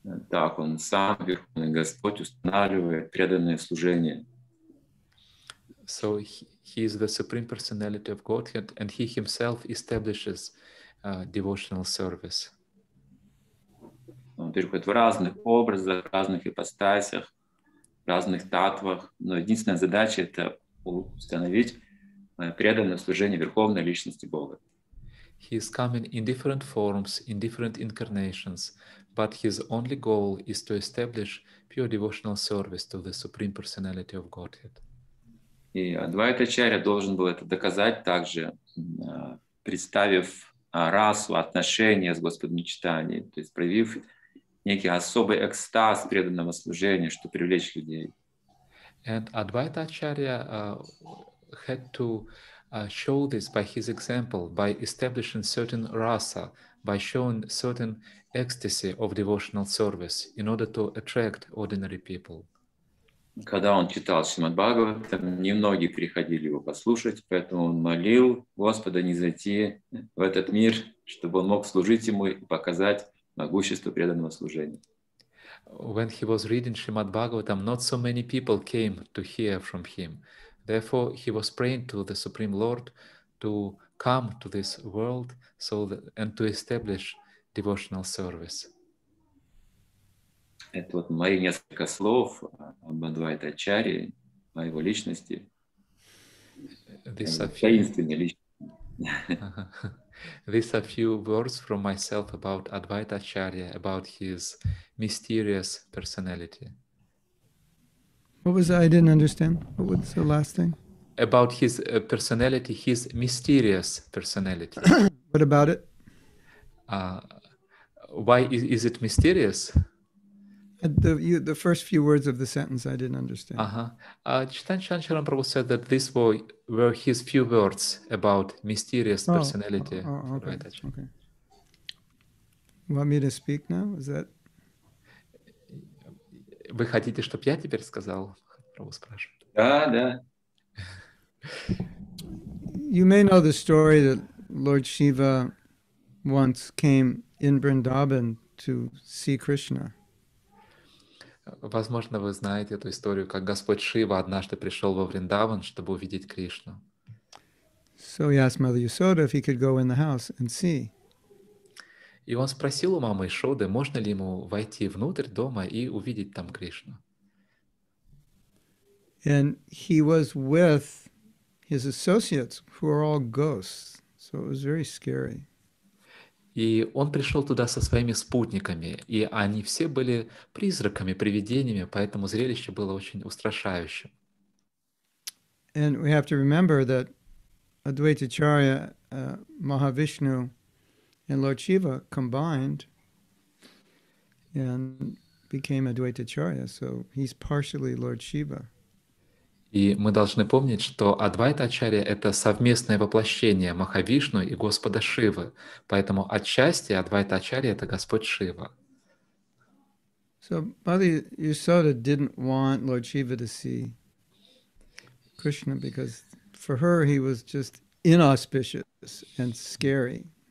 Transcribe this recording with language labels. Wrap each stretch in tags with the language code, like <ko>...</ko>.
<ru>Так он сам, Верховный Господь, устанавливает преданное служение.</ru> <en>So he is the Supreme Personality of Godhead, and he himself establishes devotional service.</en> <ru>Он переходит в разных образах, в разных ипостасях, в разных татвах, но единственная задача — это установить преданное служение Верховной Личности Бога.</ru> <en>He is coming in different forms, in different incarnations, but his only goal is to establish pure devotional service to the Supreme Personality of Godhead.</en> <ru>И Адвайта Ачарья должен был это доказать также, представив расу, отношения с Господом Чайтаньей, то есть проявив некий особый экстаз преданного служения, чтобы привлечь людей.</ru> <en>And Advaita Acharya had to show this by his example, by establishing certain rasa, by showing certain ecstasy of devotional service in order to attract ordinary people.</en> <ru>Когда он читал Шримад-Бхагаватам, немногие приходили его послушать, поэтому он молил Господа не зайти в этот мир, чтобы он мог служить ему и показать могущество преданного служения.</ru> <en>When he was reading Шримад-Бхагаватам, not so many people came to hear from him. Therefore, he was praying to the Supreme Lord to come to this world so that, and to establish devotional service.</en> <ru>Это вот мои несколько слов об Адвайта Ачарье, о его личности.</ru> <en>This</en> <ru>таинственной личности.</ru> <en>These are a few words from myself about Advaita Acharya, about his mysterious personality. What was that? I didn't understand? What was the last thing? About his personality, his mysterious personality. What about it? Why is it mysterious? The first few words of the sentence I didn't understand. Chaitanya Chancharam Prabhu said that this were his few words about mysterious personality. Okay. Want me to speak now? Is that?</en> <ru>Вы хотите, чтобы я теперь сказал? Прабу спрашивает. Да, да.</ru> <en>You may know the story that Lord Shiva once came in Vrindavan to see Krishna.</en> <ru>Возможно, вы знаете эту историю, как Господь Шива однажды пришел во Вриндаван, чтобы увидеть Кришну.</ru> <en>So he asked Mother Yasoda if he could go in the house and see.</en> <ru>И он спросил у мамы Ясоды, можно ли ему войти внутрь дома и увидеть там Кришну.</ru> <en>And he was with his associates, who are all ghosts. So it was very scary.</en> <ru>И он пришел туда со своими спутниками, и они все были призраками, привидениями, поэтому зрелище было очень устрашающим.</ru> <en>And we have to remember that Advaita Acharya, Mahavishnu, and Lord Shiva combined and became Advaita Acharya, so he's partially Lord Shiva.</en> <ru>И мы должны помнить, что Адвайта Ачарья — это совместное воплощение Махавишну и Господа Шивы. Поэтому отчасти Адвайта Ачарья — это Господь Шива.</ru> <en>So, Mother Yasoda didn't want Lord Shiva to see Krishna because for her he was just inauspicious and scary.</en>